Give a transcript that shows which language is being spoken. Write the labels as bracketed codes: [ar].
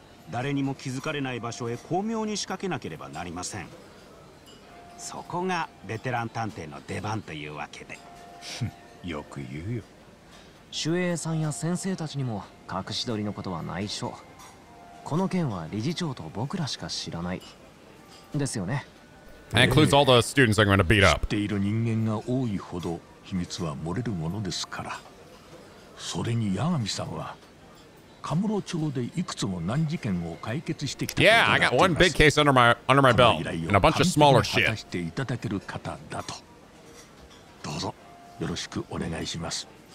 [ja] 誰にも気づかれない場所へ巧妙に仕掛けなければなりません。そこがベテラン探偵の出番というわけで。よく言うよ。守衛さんや先生たちにも隠し撮りのことは内緒。この件は理事長と僕らしか知らない。ですよね。 [en] That includes all the students I'm gonna beat up. [ja] 知っている人間が多いほど秘密は漏れるものですから。それに八神さんはカムロ町でいくつも難事件を解決してきたことになっています。 [en] Yeah, I got one big case under my belt and a bunch of smaller shit. [ja] 果たしていただける方だと。どうぞよろしくお願いします。